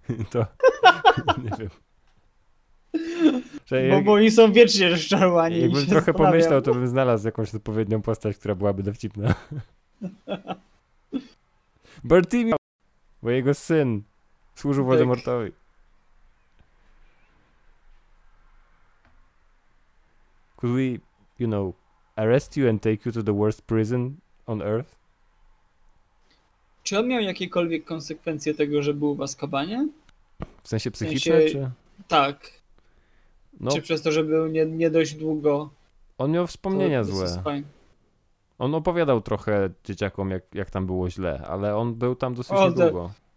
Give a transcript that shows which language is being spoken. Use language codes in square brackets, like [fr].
[pl] To nie wiem. Bo oni są wiecznie rozczarowani. Jakbym trochę pomyślał, to bym znalazł jakąś odpowiednią postać, która byłaby dowcipna. Bertie, bo jego syn służył Voldemortowi. [en] Could we, you know, arrest you and take you to the worst prison on earth? [pl] Czy on miał jakiekolwiek konsekwencje tego, że był w Azkabanie? W sensie psychiczne? Czy... Tak. No. Czy przez to, że był nie dość długo? On miał wspomnienia złe. On opowiadał trochę dzieciakom, jak tam było źle, ale on był tam dosyć niedługo.